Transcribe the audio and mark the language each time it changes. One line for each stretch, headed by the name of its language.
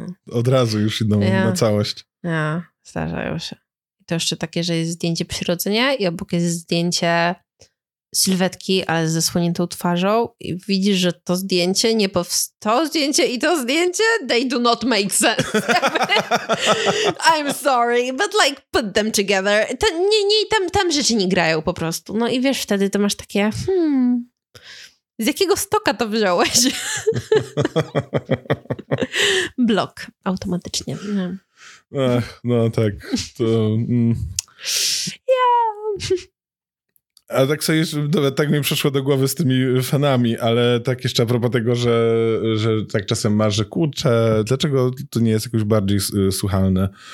Polish: Od razu już idą na całość. Nie, zdarzają się. To jeszcze takie, że jest zdjęcie przyrodzenia i obok jest zdjęcie sylwetki, ale ze słoniętą twarzą i widzisz, że to zdjęcie nie powstało. To zdjęcie i to zdjęcie,
English: they do not make sense. I'm sorry, but like, put them together.
Polish: To, nie, nie, tam rzeczy nie grają po prostu. No i wiesz, wtedy to masz takie, z jakiego stoka to wziąłeś? Blok automatycznie. Ach, no tak. To, A tak sobie, nawet tak mi przeszło do głowy z tymi fanami, ale tak jeszcze a propos tego, że tak czasem masz, że kurczę, dlaczego to nie jest jakoś bardziej słuchalne?